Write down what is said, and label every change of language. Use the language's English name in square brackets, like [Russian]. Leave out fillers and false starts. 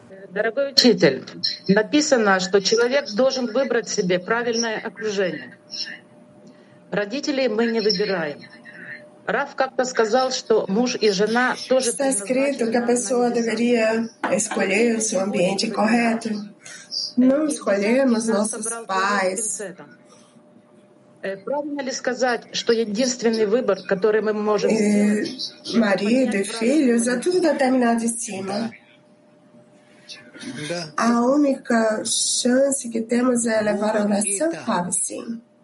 [Russian] Дорогой учитель, написано, что человек должен выбрать себе правильное окружение. Родителей мы не выбираем. Раф как-то сказал, что муж и жена тоже... [Portuguese] Está escrito, que a pessoa deveria escolher o seu ambiente correto. Não escolhemos nossos pais. [Russian] Правильно ли сказать, что единственный выбор, который мы можем... [Portuguese] Marido e filhos, é tudo determinado de cima. A única chance que temos é levar a oração, sabe, sim.